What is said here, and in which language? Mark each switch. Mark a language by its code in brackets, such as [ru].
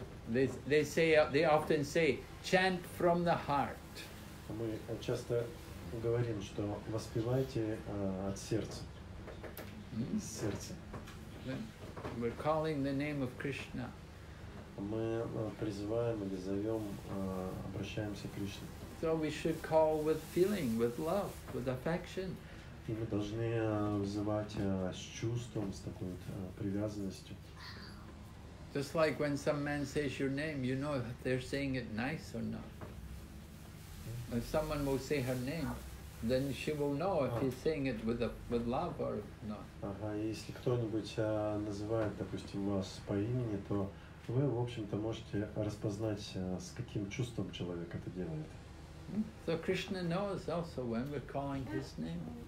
[en] They often say, chant from the heart. [ru] Мы часто говорим, что воспевайте от сердца. [en] Mm-hmm. We're calling the name of Krishna. [ru] Мы призываем или зовем, обращаемся к Кришне. [en] So we should call with feeling, with love, with affection. [ru] И мы должны вызывать с чувством, с такой вот привязанностью. [en] Just like when some man says your name, you know if they're saying it nice or not. If someone will say her name, then she will know if he's saying it with love or not. [ru] Ага, если кто-нибудь называет, допустим, вас по имени, то вы, в общем-то, можете распознать, с каким чувством человек это делает. [en] So Krishna knows also when we're calling his name.